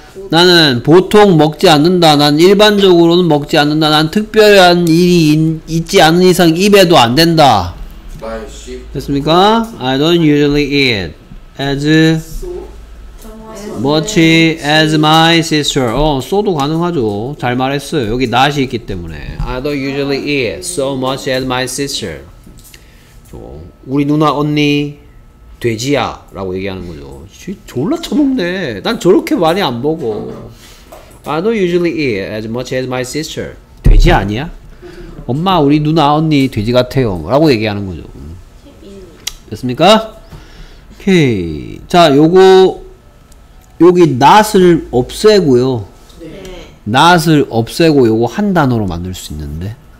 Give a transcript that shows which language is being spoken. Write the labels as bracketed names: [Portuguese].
[Korean] 나는 보통 먹지 않는다. 난 일반적으로는 먹지 않는다. 난 특별한 일이 있지 않은 이상 입에도 안 된다. 됐습니까? [English] I don't usually eat as much as my sister. [Korean] 어, 소도 가능하죠. 잘 말했어요. 여기 not이 있기 때문에. [English] I don't usually eat so much as my sister. [Korean] 우리 누나 언니 돼지야 라고 얘기하는 거죠. 졸라 처먹네. 난 저렇게 많이 안 먹어. [English] I don't usually eat as much as my sister. [Korean] 돼지 아니야? 엄마 우리 누나 언니 돼지 같아요 라고 얘기하는 거죠. 됐습니까? 오케이. 자 요거 여기 not을 없애고요. 네. not을 없애고 요거 한 단어로 만들 수 있는데.